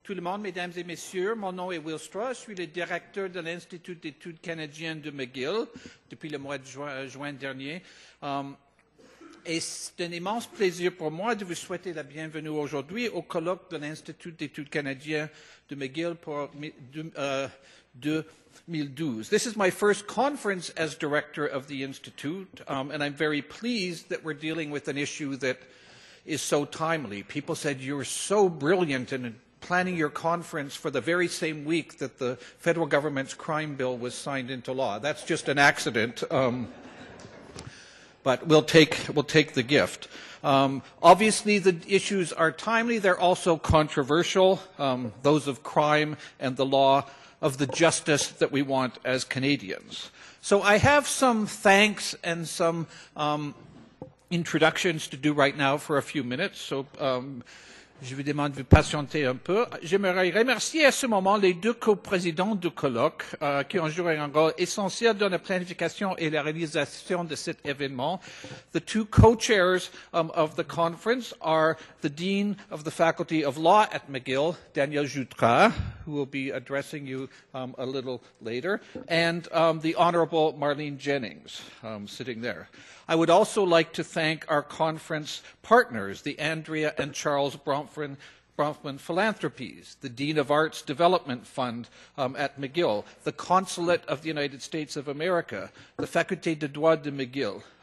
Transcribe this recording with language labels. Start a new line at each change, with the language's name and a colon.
French: Tout le monde, mesdames et messieurs, mon nom est Will Strauss, je suis le directeur de l'Institut d'études canadiennes de McGill depuis le mois de juin dernier. Et c'est un immense plaisir pour moi de vous souhaiter la bienvenue aujourd'hui au colloque de l'Institut d'études canadiennes de McGill pour 2012.
English: This is my first conference as director of the Institute, and I'm very pleased that we're dealing with an issue that is so timely. People said you're so brilliant and planning your conference for the very same week that the federal government's crime bill was signed into law. That's just an accident, but we'll take the gift. Obviously, the issues are timely. They're also controversial, those of crime and the law of the justice that we want as Canadians. So I have some thanks and some introductions to do right now for a few minutes. So.
French: Je vous demande de vous patienter un peu. J'aimerais remercier à ce moment les deux co-présidents du colloque qui ont joué un rôle essentiel dans la planification et la réalisation de cet événement.
English: The two co-chairs of the conference are the Dean of the Faculty of Law at McGill, Daniel Joutras, who will be addressing you a little later, and the Honorable Marlene Jennings sitting there. I would also like to thank our conference partners, the Andrea and Charles Bronfman Philanthropies, the Dean of Arts Development Fund at McGill, the Consulate of the United States of America, the Faculté de Droit de McGill,